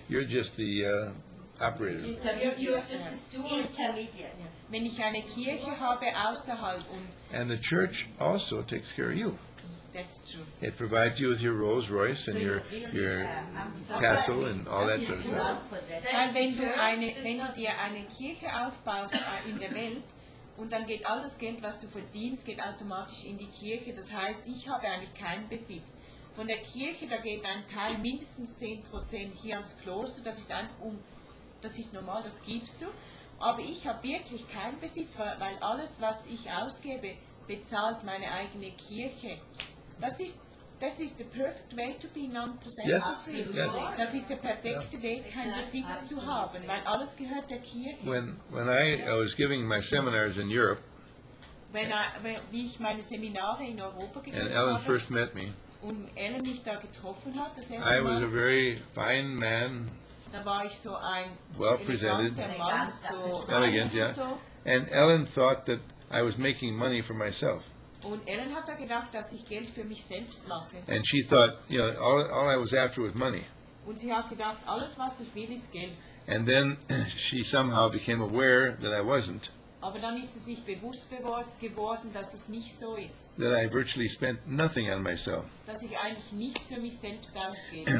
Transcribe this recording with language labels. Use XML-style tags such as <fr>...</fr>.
<en>You're just the operator. You're just a steward. Yeah.</en> <de>Wenn ich eine Kirche habe,</de> <en>and the church also takes care of you. That's true. It provides you with your Rolls Royce and your castle and all that sort of stuff.</en> <de>Weil wenn du dir eine Kirche aufbaust in der Welt und dann geht alles Geld, was du verdienst, geht automatisch in die Kirche. Das heißt, ich habe eigentlich keinen Besitz. Von der Kirche, da geht ein Teil, mindestens 10% hier ans Kloster. Das ist einfach das ist normal, das gibst du. Aber ich habe wirklich keinen Besitz, weil alles, was ich ausgebe, bezahlt meine eigene Kirche. Das ist</de> <en>the perfect way to be non-possessive. Yes.</en> <de>Das ist der perfekte Weg, kein Besitz zu haben, weil alles gehört der Kirche.</de> <en>When I was giving my seminars in Europe,</en> <de>wie ich meine Seminare in Europa gegeben</de> <en>and Ellen</en> <de>habe,</de> <en>first met me,</en> <de>und Ellen mich da getroffen hat, das erste</de> <en>I was</en> <de>Mal,</de> <en>a very fine man,</en> <de>da war ich so ein</de> <en>well presented,</en> <de>Mann, so</de> <en>elegant, yeah. And Ellen thought that I was making money for myself.</en> <de>Und Ellen hat da gedacht, dass ich Geld für mich selbst mache.</de> <en>And she thought, you know, all I was after was money.</en> <de>Und sie hat gedacht, alles was ich will ist Geld.</de> <en>And then she somehow became aware that I wasn't.</en> <de>Aber dann ist sie sich bewusst geworden, dass es nicht so ist.</de> <en>That I virtually spent nothing on myself.</en> <de>Dass ich eigentlich nichts für mich selbst ausgebe.</de>